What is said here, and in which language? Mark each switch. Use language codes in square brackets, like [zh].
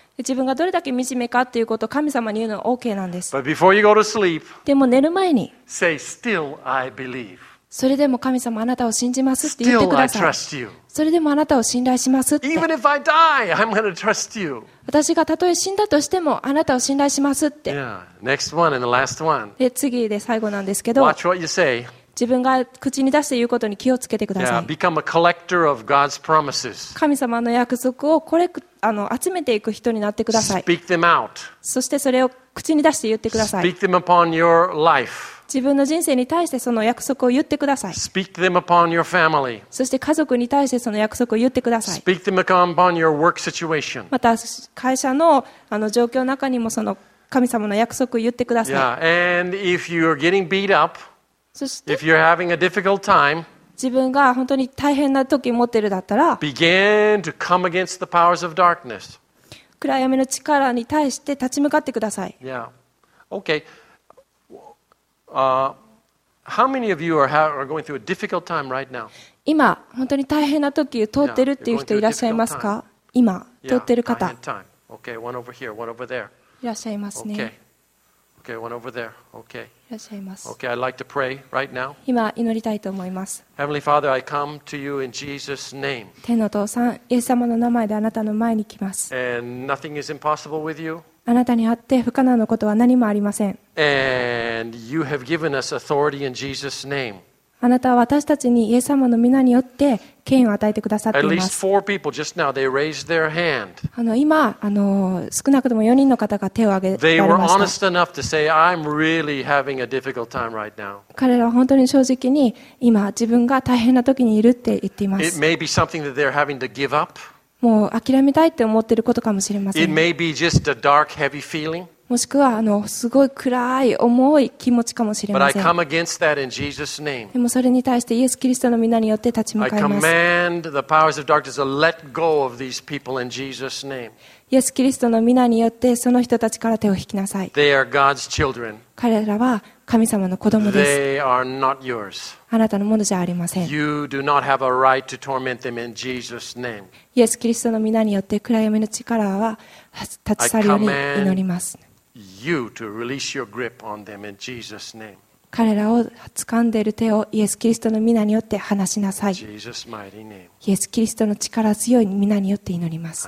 [ja] 自分がどれだけ惨めかということを神様に言うのは OK なんです。 [en] But before you go to sleep, [ja] でも寝る前に、 [en] say, still I believe. [ja] それでも神様あなたを信じますって言ってください。それでもあなたを信頼しますって。 [en] Even if I die, I'm going to trust you. [ja] 私がたとえ死んだとしてもあなたを信頼しますって。 [en] Yeah. Next one and the last one. [ja] で次で最後なんですけど、 [en] Watch what you say. [ja] 自分が口に出して言うことに気をつけてください。 [en] Yeah. Become a collector of God's promises. [ja] 神様の約束をこれ集めていく人になってください。 [en] Speak them out. [ja] そしてそれを口に出して言ってください。 [en] Speak them upon your life. [ja] 自分の人生に対してその約束を言ってください。 [en] Speak them upon your family. [ja] そして家族に対してその約束を言ってください。 [en] Speak them upon your work situation. [ja] また会社の状況の中にもその神様の約束を言ってください。 [en] Yeah. And if you're getting beat up, [ja] そして、 [en] if you're having a difficult time, [ja] 自分が本当に大変な時を持ってるだったら、 [en] begin to come against the powers of darkness. [ja] 暗闇の力に対して立ち向かってください。 [en] Yeah. Okay. How many of you are going through a difficult time right now? [ja] 今本当に大変な時を通ってるっていう人いらっしゃいますか？今通ってる方。 [en] Yeah, time. Okay, one over here, one over there. [ja] いらっしゃいますね。 [en] Okay, one over there. Okay. [ja] いらっしゃいます。 [en] Okay, I'd like to pray right now. [ja] 今祈りたいと思います。 [en] Heavenly Father, I come to you in Jesus' name. [ja] 天の父さん、イエス様の名前であなたの前に来ます。 [en] And nothing is impossible with you. [ja] あなたにあって不可能のことは何もありません。 [en] And you have given us authority in Jesus' name. [ja] あなたは私たちにイエス様の名によって権威を与えてくださっています。 [en] At least four people just now, they raised their hand. [ja] 今少なくとも4人の方が手を挙げられました。 [en] They were honest enough to say, I'm really having a difficult time right now. [ja] 彼らは本当に正直に今自分が大変な時にいるって言っています。 [en] It may be something that they're having to give up. [ja] もう諦めたいって思ってることかもしれません。 [en] It may be just a dark, heavy feeling. [ja] もしくはすごい暗い重い気持ちかもしれません。 [en] But I come against that in Jesus' name. [ja] でもそれに対してイエス・キリストの名によって立ち向かいます。 [en] I command the powers of darkness to let go of these people in Jesus' name. [ja] イエス・キリストの名によってその人たちから手を引きなさい。 [en] They are God's children. [ja] 彼らは神様の子供です。 [en] They are not yours. [ja] あなたのものじゃありません。 [en] You do not have a right to torment them in Jesus' name. [ja] イエス・キリストの名によって暗闇の力は立ち去るように祈ります。 [en] I command you to release your grip on them in Jesus' name. [ja] 彼らを掴んでいる手をイエス・キリストの名によって離しなさい。 [en] Jesus' mighty name. [ja] イエス・キリストの力強い名によって祈ります。